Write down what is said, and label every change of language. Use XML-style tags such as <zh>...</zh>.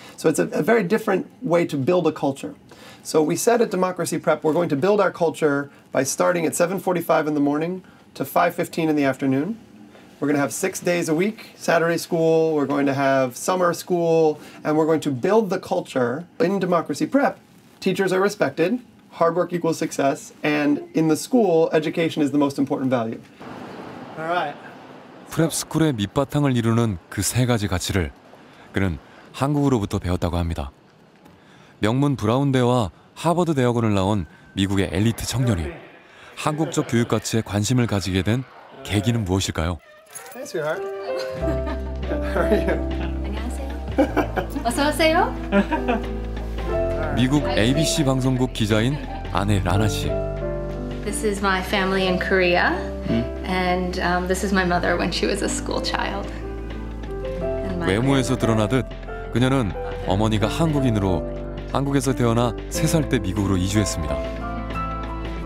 <en>So it's a very different way to build a culture. So we said at Democracy Prep we're going to build our culture by starting at 7:45 in the morning to 5:15 in the afternoon. We're going to have 6 days a week, Saturday school, we're going to have summer school, and we're going to build the culture in Democracy Prep. Teachers are respected, hard work equals success, and in the school, education is the most important value. All right.</en> <ko>프랩스쿨의 밑바탕을 이루는 그 세 가지 가치를 그는 한국으로부터 배웠다고 합니다. 명문 브라운대와 하버드 대학원을 나온 미국의 엘리트 청년이 한국적 교육 가치에 관심을 가지게 된 계기는 무엇일까요?</ko> <en>Hey, sweetheart. How are you?</en> <ko>안녕하세요. 어서 오세요. 미국 ABC 방송국 기자인 아내 라나 씨.</ko> <en>This is my family in Korea, and this is my mother when she was a school child.</en> <ko>외모에서 드러나듯 그녀는 어머니가 한국인으로 한국에서 태어나 3살 때 미국으로 이주했습니다.</ko>